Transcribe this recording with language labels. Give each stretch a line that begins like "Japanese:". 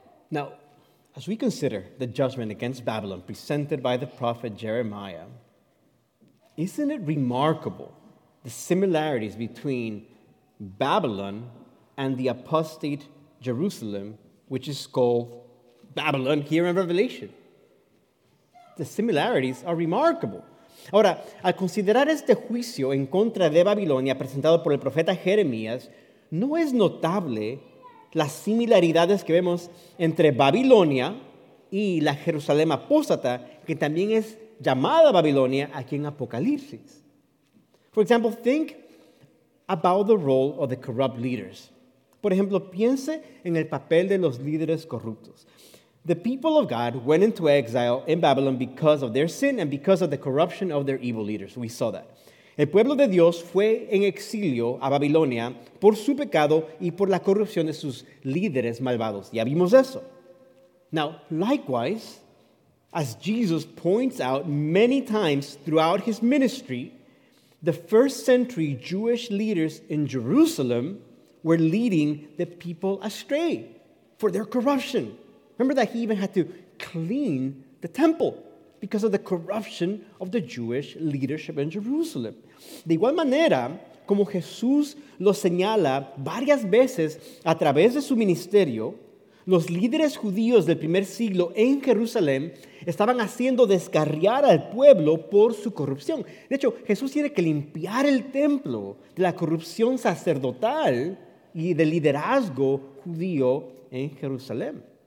English: Now, as we consider the judgment against Babylon presented by the prophet Jeremiah, isn't it remarkable the similarities between Babylon and the apostate Jerusalem, which is called Babylon here in Revelation? The similarities are remarkable.
Spanish: Ahora, al considerar este juicio en contra de Babilonia presentado por el profeta Jeremías, ¿no es notable las similaridades que vemos entre Babilonia y la Jerusalén apóstata, que también es llamada Babilonia aquí en Apocalipsis?
English: For example, think about the role of the corrupt leaders.
Spanish: Por ejemplo, piense en el papel de los líderes corruptos.
English: The people of God went into exile in Babylon because of their sin and because of the corruption of their evil leaders. We saw that.
Spanish: El pueblo de Dios fue en exilio a Babilonia por su pecado y por la corrupción de sus líderes malvados. Ya vimos eso.
English: Now, likewise, as Jesus points out many times throughout his ministry, the first century Jewish leaders in Jerusalem were leading the people astray for their corruption. Remember that he even had to clean the temple because of the corruption of the Jewish leadership in Jerusalem.
Spanish: De igual manera, como Jesús lo señala varias veces a través de su ministerio, los líderes judíos del primer siglo en Jerusalén estaban haciendo descarriar al pueblo por su corrupción. De hecho, Jesús tiene que limpiar el templo de la corrupción sacerdotal y del liderazgo judío en Jerusalén.